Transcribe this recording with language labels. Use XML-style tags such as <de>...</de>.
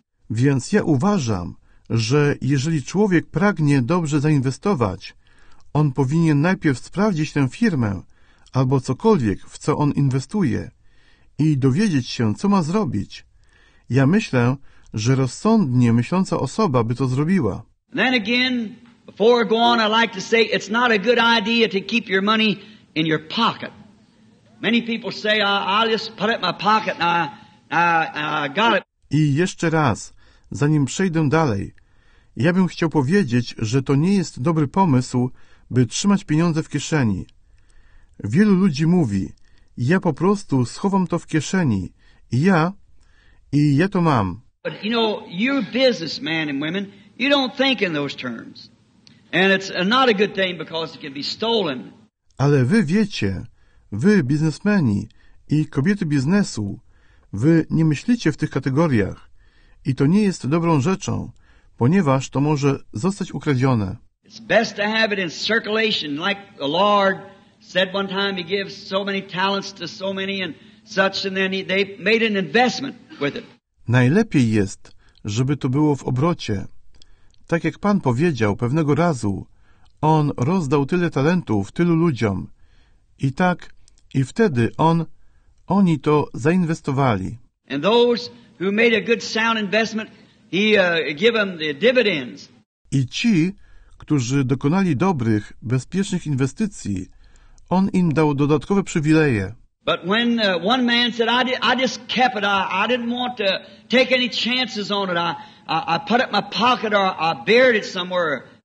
<pl>Więc ja uważam, że jeżeli człowiek pragnie dobrze zainwestować, on powinien najpierw sprawdzić tę firmę albo cokolwiek, w co on inwestuje, i dowiedzieć się, co ma zrobić. Ja myślę, że rozsądnie myśląca osoba by to zrobiła.</pl> <en>Then again, before I go on, I'd like to say it's not a good idea to keep your money in your pocket. Many people say, I'll just put it in my pocket and I got it.</en> <pl>I jeszcze raz, zanim przejdę dalej, ja bym chciał powiedzieć, że to nie jest dobry pomysł, by trzymać pieniądze w kieszeni. Wielu ludzi mówi, ja po prostu schowam to w kieszeni. I ja to mam.</pl> <en>But you know, you businessmen and women, you don't think in those terms. And it's not a good thing because it can be stolen.</en> <pl>Ale wy wiecie, wy biznesmeni i kobiety biznesu, wy nie myślicie w tych kategoriach. I to nie jest dobrą rzeczą, ponieważ to może zostać ukradzione.</pl> <en>It's best to have it in circulation, like the Lord said one time he gives so many talents to so many and such, and then they made an investment with it.</en> <pl>Najlepiej jest, żeby to było w obrocie. Tak jak Pan powiedział pewnego razu, on rozdał tyle talentów tylu ludziom. I wtedy oni to zainwestowali.</pl> <en>And those who made a good sound investment, he gave them the dividends.</en> <pl>I ci, którzy dokonali dobrych, bezpiecznych inwestycji, on im dał dodatkowe przywileje.</pl> <en>But when one man said, I just kept it, I didn't want to take any chances on it, I put it in my pocket or I buried it somewhere.</en>